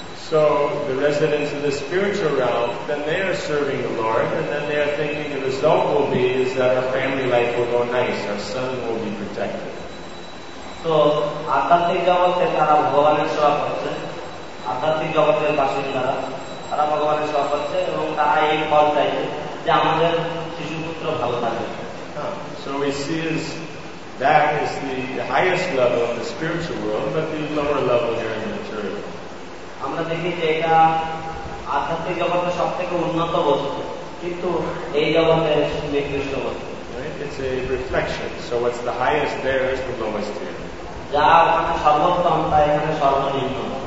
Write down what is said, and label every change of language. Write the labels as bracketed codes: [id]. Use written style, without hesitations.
[en] So the residents of the spiritual realm, then they are serving the Lord, and then they are thinking the result will be is that our family life will go nice, our son will be protected. [bn] So আধ্যাত্মিক জগতে তারা ভগবানের সেবা করছে, আধ্যাত্মিক জগতের বাসিন্দারা তারা ভগবানের সেবা করছে এবং তারা এই ফল চাইছে যে আমাদের শিশু পুত্র ভালো থাকে। [en] So we see is that is the highest level of the spiritual world, but the lower level here in the material. [bn] আমরা দেখি যে এটা আধ্যাত্মিক জগতের সব থেকে উন্নত বস্তু কিন্তু এই জগতে নিকৃষ্ট বস্তু। [en] It's a reflection. So what's the highest there is the lowest here. [bn] যা ওখানে সর্বোত্তম তা এখানে সর্বনিম্ন।